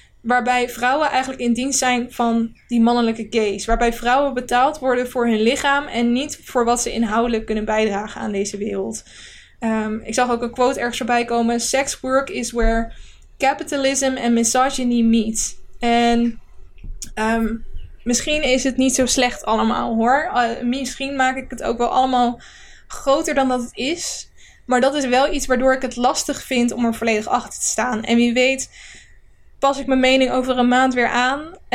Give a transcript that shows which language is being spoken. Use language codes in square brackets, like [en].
[nl] Waarbij vrouwen eigenlijk in dienst zijn van die mannelijke gaze. Waarbij vrouwen betaald worden voor hun lichaam en niet voor wat ze inhoudelijk kunnen bijdragen aan deze wereld. Ik zag ook een quote ergens voorbij komen. [en] Sex work is where capitalism and misogyny meet. [nl] En misschien is het niet zo slecht allemaal hoor. Misschien maak ik het ook wel allemaal groter dan dat het is. Maar dat is wel iets waardoor ik het lastig vind om er volledig achter te staan. En wie weet, pas ik mijn mening over een maand weer aan.